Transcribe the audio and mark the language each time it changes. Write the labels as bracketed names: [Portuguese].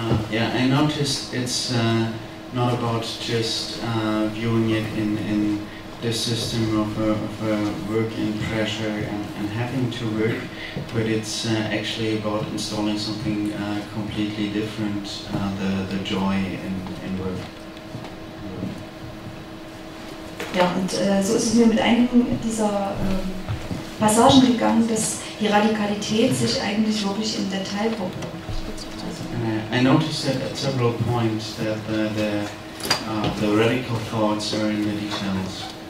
[English] Yeah, I noticed it's not about just viewing it in this system of a work and pressure and having to work, but it's actually about installing something completely different, the joy in work. [German] Ja, und so ist es mir mit einigen dieser Passagen gegangen, dass die Radikalität sich eigentlich wirklich im Detail verbirgt. [English] I noticed that at several points that the radical thoughts are in the details.